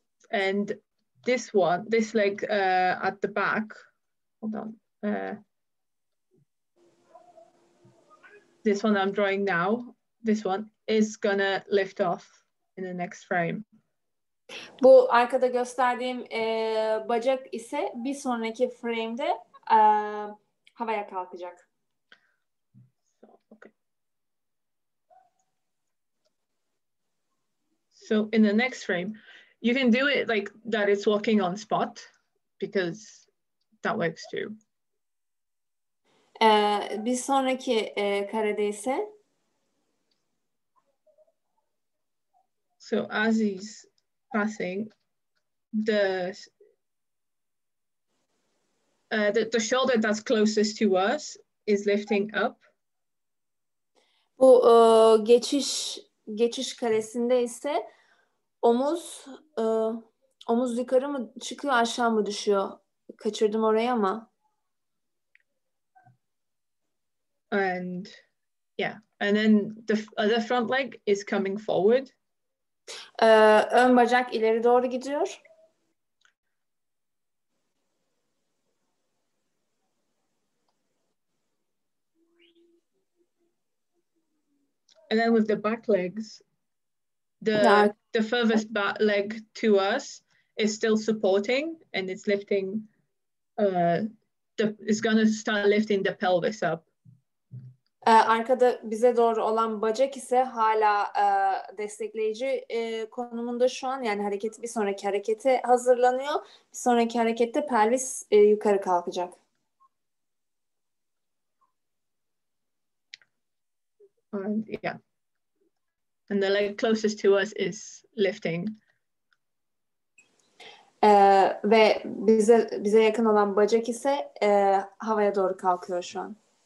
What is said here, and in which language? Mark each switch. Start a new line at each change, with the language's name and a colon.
English: And this one, this leg at the back, hold on. This one I'm drawing now, this one is gonna lift off in the next frame.
Turkish: Bu arkada gösterdiğim bacak ise bir sonraki frame'de havaya kalkacak.
English: So in the next frame, you can do it like that it's walking on spot, because that works too.
Turkish: Bir sonraki karede ise.
English: So as he's passing, the shoulder that's closest to us is lifting up.
Turkish: Bu geçiş karesinde ise omuz yukarı mı çıkıyor aşağı mı düşüyor? Kaçırdım orayı ama.
English: And yeah, and then the other front leg is coming forward.
Turkish: Ön bacak ileri doğru gidiyor.
English: And then with the back legs, the furthest back leg to us is still supporting and it's lifting. It's gonna start lifting the pelvis up.
Turkish: Arkada bize doğru olan bacak ise hala destekleyici konumunda şu an. Yani bir sonraki harekete hazırlanıyor. Bir sonraki harekette pelvis yukarı kalkacak.
English: Yeah. And the leg closest to us is lifting.
Turkish: Ve bize yakın olan bacak ise havaya doğru kalkıyor şu an.